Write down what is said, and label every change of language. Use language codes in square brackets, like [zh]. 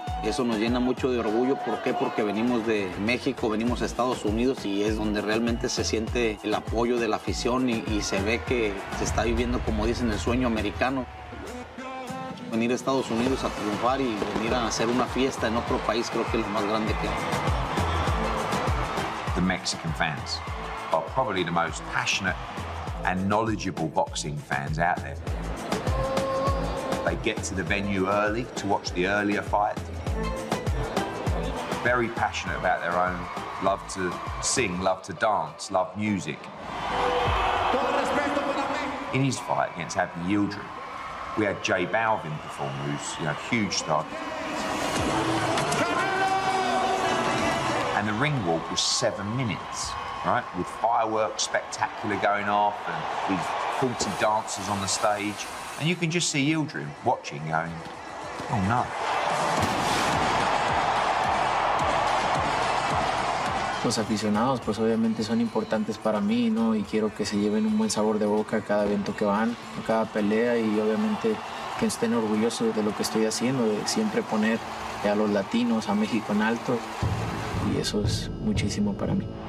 [es] Eso nos llena mucho de orgullo. ¿Por qué? Porque venimos de México, venimos a Estados Unidos y es donde realmente se siente el apoyo de la afición y se ve que se está viviendo, como dicen, el sueño americano. Venir a Estados Unidos a triunfar y venir a hacer una fiesta en otro país, creo que es lo más grande que hay. [en] The Mexican fans. probably the most passionate and knowledgeable boxing fans out there. They get to the venue early to watch the earlier fight. Very passionate about their own. Love to sing, love to dance, love music. In his fight against Abby Yildirim, we had Jay Balvin perform, who's, you know, huge star. And the ring walk was 7 minutes, right? With fireworks spectacular going off and these 40 dancers on the stage. And you can just see Yildirim watching going, oh no. [es] Los aficionados, pues obviamente son importantes para mí, ¿no? Y quiero que se lleven un buen sabor de boca cada evento que van, cada pelea, y obviamente que estén orgullosos de lo que estoy haciendo, de siempre poner a los latinos, a México en alto, y eso es muchísimo para mí.